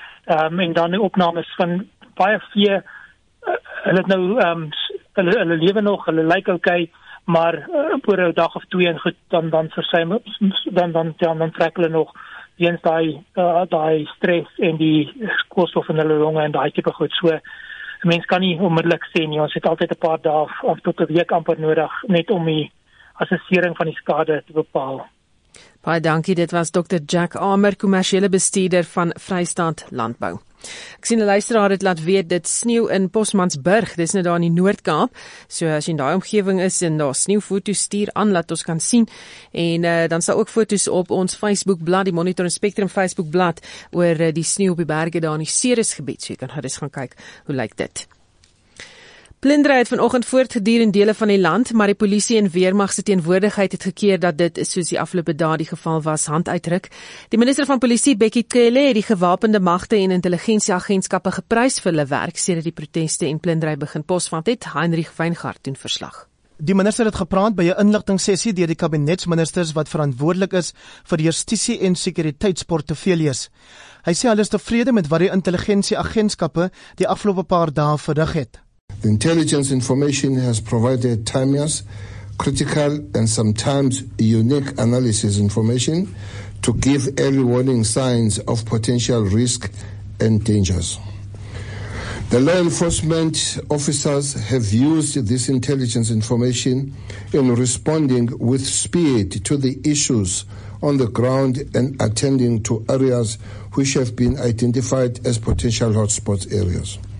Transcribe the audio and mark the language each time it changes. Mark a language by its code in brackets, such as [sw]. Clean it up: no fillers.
[af] En dan die opnames van baie vee, hulle lewe nog, hulle lyk okay, maar oor 'n dag of twee en goed, dan versuim dan trek hulle nog eens daai stres en die koolstof in hulle longe en daai tipe goed. So, mens kan nie onmiddellik sê nie, ons het altyd 'n paar dae of tot 'n week amper nodig, net om die assessering van die skade te bepaal. Baie dankie, dit was Dr. Jack Armer, kommersiële bestuurder van Vrystaat Landbou. Ek sien 'n luisteraar het laat weet dit sneeu in Posmansburg, dis nou daar in die Noord-Kaap. So as jy in daai omgewing is en daar sneeufoto's stuur aan, laat ons kan sien. En dan sal ook foto's op ons Facebookblad, die Monitor en Spectrum Facebookblad, oor die sneeu op die berge daar in die Ceres gebied. So jy kan gerus gaan kyk, hoe lyk dit? Plundering het vanoggend voortgeduur in dele van die land, maar die polisie en weermag se teenwoordigheid het gekeer dat dit, soos die afgelope dae die geval was, hand uitruk. Die minister van polisie, Bekkie Cele, het die gewapende magte en intelligensieagentskappe geprys vir hulle werk sedert die proteste en plundering begin plaasvind het. Heinrich Weingart doen verslag. Die minister het gepraat by 'n inligtingsessie deur die kabinetsministers wat verantwoordelik is vir justisie en sekuriteitsportefeuilles. Hy sê hulle is tevrede met wat die intelligensieagentskappe die afgelope paar dae verrig het. [en] The intelligence information has provided timeous, critical and sometimes unique analysis information to give early warning signs of potential risk and dangers. The law enforcement officers have used this intelligence information in responding with speed to the issues on the ground and attending to areas which have been identified as potential hotspot areas.